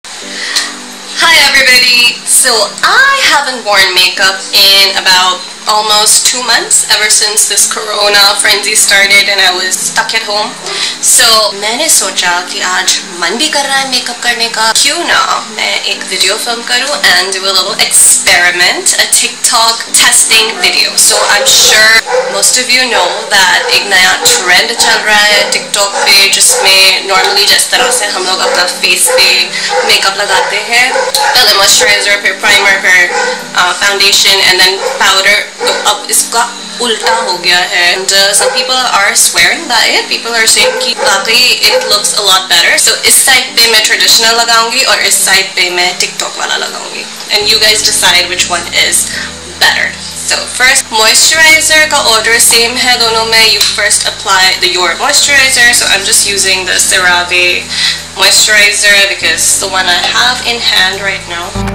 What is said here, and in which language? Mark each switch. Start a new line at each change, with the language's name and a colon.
English: everybody. So I haven't worn makeup in about almost 2 months, ever since this corona frenzy started and I was stuck at home.
Hindi: So मैंने सोचा कि आज मन भी कर रहा है makeup करने का. क्यों न मैं एक video film करूँ
English: and do a little experiment, a TikTok testing video. So I'm sure most of you know that
Hindi: एक नया trend चल रहा है TikTok पे, जिसमें normally जिस तरह से हम लोग अपना face पे makeup लगाते है, पहले moisturizer, फिर primer, फिर foundation
English: and then powder.
Hindi: So अब इसका उल्टा हो गया है.
English: And some people are swearing by it. People are saying
Hindi: ki baki
English: it looks a lot better.
Hindi: So इस side पे मैं traditional लगाऊँगी और इस side पे मैं TikTok वाला लगाऊँगी.
English: And you guys decide which one is better. So first moisturizer
Hindi: का order same है दोनों में.
English: You first apply the your moisturizer. So I'm just using the CeraVe moisturizer because the one I have in hand right now.